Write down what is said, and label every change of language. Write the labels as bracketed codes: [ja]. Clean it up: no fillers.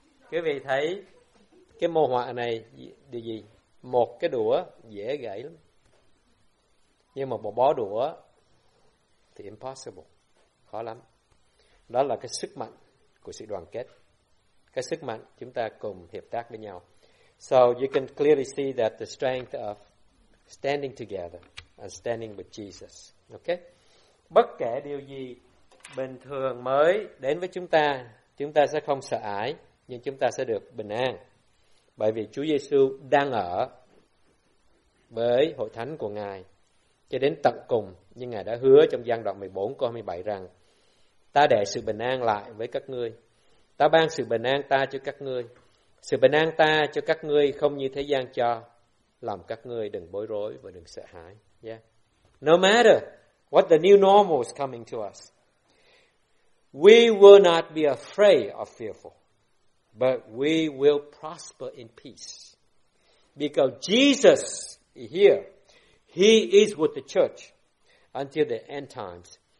[vi] Quý vị thấy cái mô họa này điều gì? Một cái đũa dễ gãy lắm. Nhưng mà một bó đũa thì impossible, khó lắm. Đó là cái sức mạnh của sự đoàn kết. Cái sức mạnh chúng ta cùng hiệp tác với nhau. [en] So you can clearly see that the strength of standing together and standing with Jesus. Okay? [vi] Bất kể điều gì bình thường mới đến với chúng ta sẽ không sợ hãi, nhưng chúng ta sẽ được bình an. Bởi vì Chúa Giê-xu đang ở với hội thánh của Ngài cho đến tận cùng, như Ngài đã hứa trong gian đoạn 14 câu 27 rằng: Ta để sự bình an lại với các ngươi. Ta ban sự bình an ta cho các ngươi. Sự bình an ta cho các ngươi không như thế gian cho. Làm các ngươi đừng bối rối và đừng sợ hãi. [en] Yeah. No matter what the new normal is coming to us, we will not be afraid or fearful. But we will prosper in peace. Because Jesus is here. He is with the church until the end times.